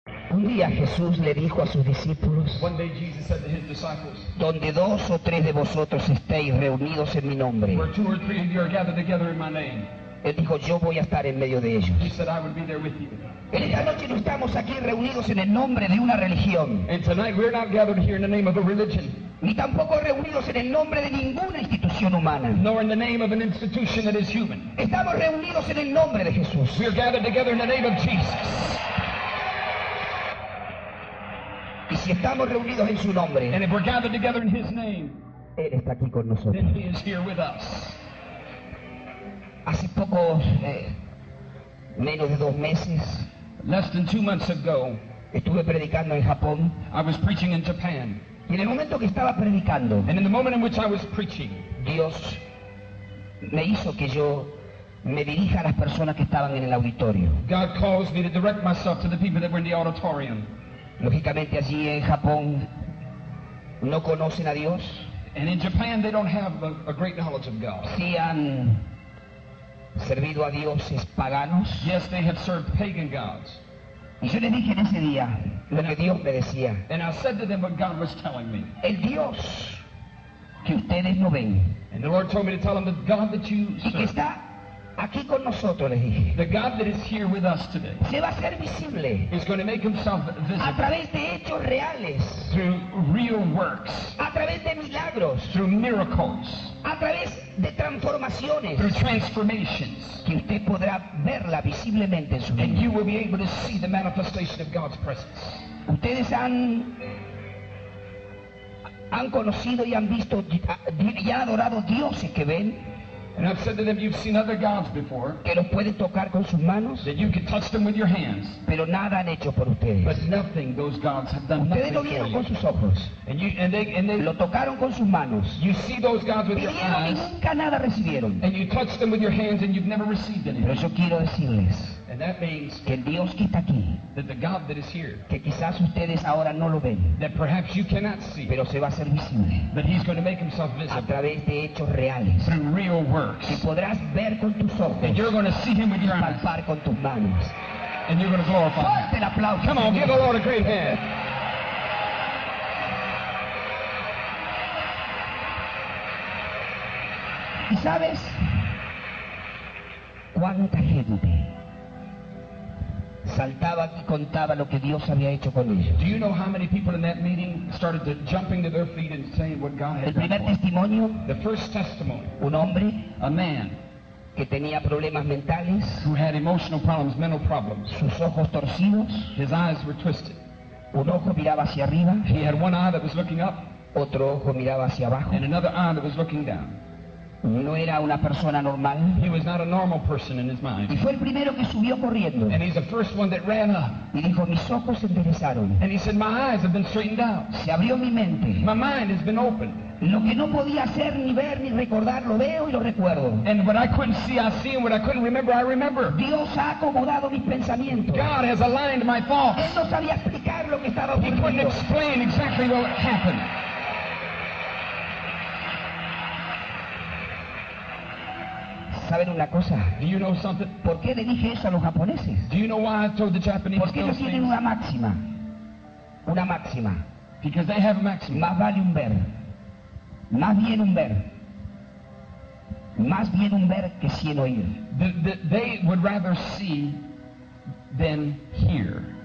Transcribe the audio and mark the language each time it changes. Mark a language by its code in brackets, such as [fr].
[es] Un día Jesús le dijo a sus discípulos, [en] one day Jesus said to his disciples, [es] donde dos o tres de vosotros estéis reunidos en mi nombre, [en] where two or three of you are gathered together in my name, [es] él dijo, yo voy a estar en medio de ellos. [en] He said, I would be there with you. [es] En esta noche no estamos aquí reunidos en el nombre de una religión. [en] And tonight we're not gathered here in the name of a religion. [es] Ni tampoco reunidos en el nombre de ninguna institución humana. [en] Nor in the name of an institution that is human. [es] Estamos reunidos en el nombre de Jesús. [en] We are gathered together in the name of Jesus. [es] Y si estamos reunidos en su nombre, [en] and if we're gathered together in his name, [es] él está aquí con nosotros. [en] Then he is here with us. [es] Hace poco, menos de dos meses, [en] less than 2 months ago, [es] estuve predicando en Japón. [en] I was preaching in Japan. [es] Y en el momento que estaba predicando, [en] and in the moment in which I was preaching, [es] Dios me hizo que yo me dirija a las personas que estaban en el auditorio. [en] God caused me to direct myself to the people that were in the auditorium. [es] Lógicamente allí en Japón no conocen a Dios. [en] And in Japan they don't have a great knowledge of God. [es] Sí han servido a dioses paganos. [en] Yes, they have served pagan gods. [es] Y yo les dije en ese día lo que Dios me decía. [en] And I said to them what God was telling me. [es] El Dios que ustedes no ven. [en] And the Lord told me to tell them the God that you serve. [es] Y que está aquí con nosotros, les dije. [en] The God that is here with us today. [es] Se va a hacer visible. [en] Is going to make himself visible. [es] A través de hechos reales. [en] Through real works. [es] A través de milagros. [en] Through miracles. [es] A través de transformaciones. [en] Through transformations. [es] Que usted podrá verla visiblemente en su vida. [en] And you will be able to see the manifestation of God's presence. [es] Ustedes han conocido y han visto y han adorado dioses que ven. [en] And I've said to them, you've seen other gods before. [es] Que los puede tocar con sus manos. [en] That you can touch them with your hands. [es] Pero nada han hecho por ustedes. [en] But nothing those gods have done. [es] Ustedes lo vieron con sus ojos. [en] And they [es] lo tocaron con sus manos. [en] You see those gods with [es] pidieron [en] your eyes. [es] Y nunca nada recibieron. [en] And you touch them with your hands, and you've never received anything. [es] Pero yo quiero decirles. [en] And that means [es] que Dios que está aquí, [en] that the God that is here, [es] que quizás ustedes ahora no lo ven, [en] that perhaps you cannot see, [es] pero se va a hacer visible, [en] but he's going to make himself visible, [es] a través de hechos reales, [en] through real works, [es] que podrás ver con tus ojos, [en] that you're going to see him with your eyes, [es] palpar con tus manos, [en] and you're going to glorify him. [es] Fuerte el aplauso. [en] Come on, give the Lord a great hand. [es] ¿Y sabes cuánta gente saltaba y contaba lo que Dios había hecho con ellos? [en] Do you know how many people in that meeting started to jumping to their feet and saying what God had done? [es] El primer testimonio, [en] the first testimony, [es] un hombre, [en] a man, [es] que tenía problemas mentales, [en] who had emotional problems, mental problems, [es] sus ojos torcidos, [en] his eyes were twisted, [es] un ojo miraba hacia arriba, [en] he had one eye that was looking up, [es] otro ojo miraba hacia abajo, [en] and another eye that was looking down. [es] No era una persona normal. [en] He was not a normal person in his mind. [es] Y fue el primero que subió corriendo. [en] And he's the first one that ran up. [es] Y dijo, mis ojos se enderezaron. [en] And he said, my eyes have been straightened out. [es] Se abrió mi mente. [en] My mind has been opened. [es] Lo que no podía hacer ni ver ni recordar lo veo y lo recuerdo. [en] And what I couldn't see, I see, and what I couldn't remember, I remember. [es] Dios ha acomodado mis pensamientos. [en] God has aligned my thoughts. [es] Él no sabía explicar lo que estaba ocurriendo. [en] He couldn't explain exactly what happened. [es] ¿Saben una cosa? [en] Do you know something? [es] ¿Por qué le dije eso a los japoneses? [en] Do you know why I told the Japanese? [es] Porque ellos tienen [en] things? [es] Una máxima. Una máxima. [en] Because they have a maxim. [es] Más vale un ver. Más bien un ver. Más bien un ver que cien oír. [en] They would rather see than hear.